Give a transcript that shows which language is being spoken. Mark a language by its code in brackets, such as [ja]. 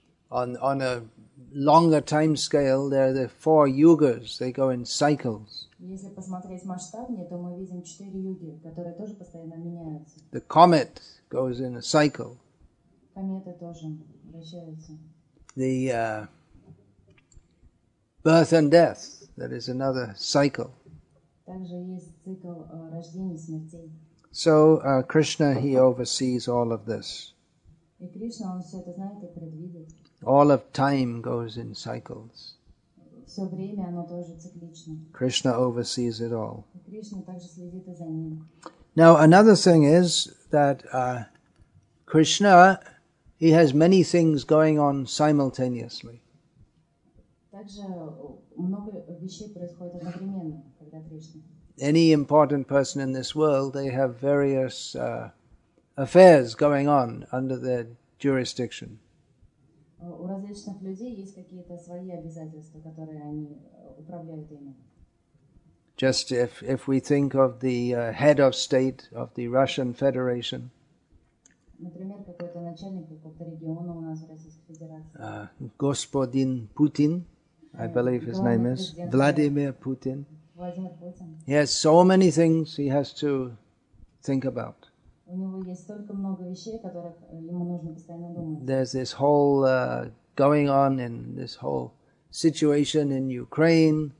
[en] On a longer time scale, there are the four yugas. They go in cycles. [ru] Если посмотреть масштабнее, то мы видим четыре юги, которые тоже постоянно меняются. [en] The comet goes in a cycle. [ru] Кометы тоже вращаются. [en] The birth and death. That is another cycle. [ru] Также есть цикл рождения и смерти. [en] So Krishna, he oversees all of this. [ru] И Кришна, он все это знает и предвидит. [en] All of time goes in cycles. [ru] Все время оно тоже циклично. [en] Кришна oversees it all. [ru] И Кришна также следит за ним. [en] Now another thing is that Krishna, he has many things going on simultaneously. [ru] Также много вещей происходит одновременно, когда Кришна. [en] Any important person in this world, they have various affairs going on under their jurisdiction. [ru] У различных людей есть какие-то свои обязательства, которые они управляют ими. [en] Just if we think of the head of state of the Russian Federation. [ru] Например, какой-то начальник какого-то региона у нас в Российской Федерации. [en] Господин Путин, I believe his name is Владимир Путин. [ru] Владимир Путин. [en] He has so many things he has to think about. [ru] У него есть столько много вещей, о которых ему нужно постоянно думать. [en] There's this whole going on in this whole situation in Ukraine.